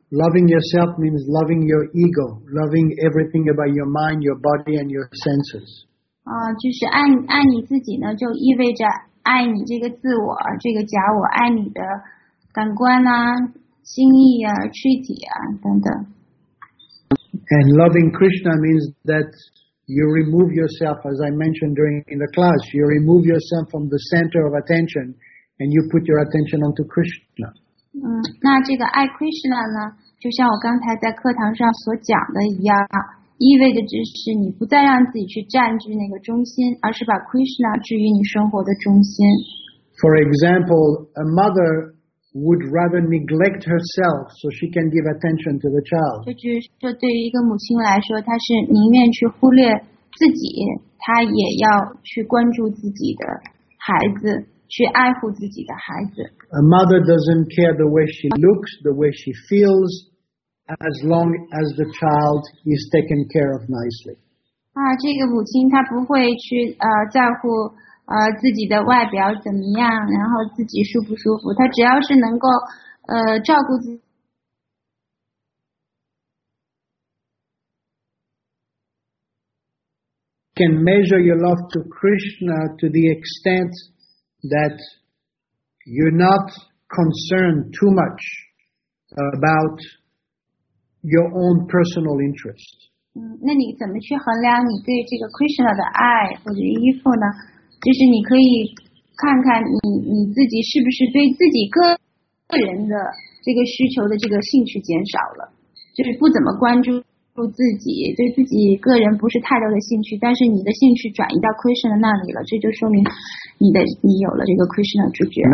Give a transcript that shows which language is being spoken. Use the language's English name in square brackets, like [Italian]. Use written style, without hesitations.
[English] Loving yourself means loving your ego, loving everything about your mind, your body, and your senses. [Chinese] 就是爱你自己呢，就意味着爱你这个自我，这个假我，爱你的感官啊，心意啊，躯体啊，等等。 [English] And loving Krishna means that you remove yourself, as I mentioned during in the class, you remove yourself from the center of attention, and you put your attention onto Krishna. [Chinese] 那这个爱 Krishna 呢，就像我刚才在课堂上所讲的一样，意味着就是你不再让自己去占据那个中心，而是把 Krishna 置于你生活的中心。 [English] For example, a mother would rather neglect herself so she can give attention to the child. [Chinese] 就是说，对于一个母亲来说，她是宁愿去忽略自己，她也要去关注自己的孩子。去爱护自己的孩子。 [English] A mother doesn't care the way she looks, the way she feels, as long as the child is taken care of nicely. [Chinese] 这个母亲她不会去在乎自己的外表怎么样，然后自己舒不舒服，她只要是能够照顾自己。 [English] Can measure your love to Krishna to the extent. That you're not concerned too much about your own personal interest. [Chinese] 那你怎么去衡量你对这个 Krishna 的爱或者依附呢？就是你可以看看你自己是不是对自己个人的这个需求的这个兴趣减少了，就是不怎么关注自己，对自己个人不是太多的兴趣，但是你的兴趣转移到 Krishna 那里了，这就说明你有了这个 Krishna 主角。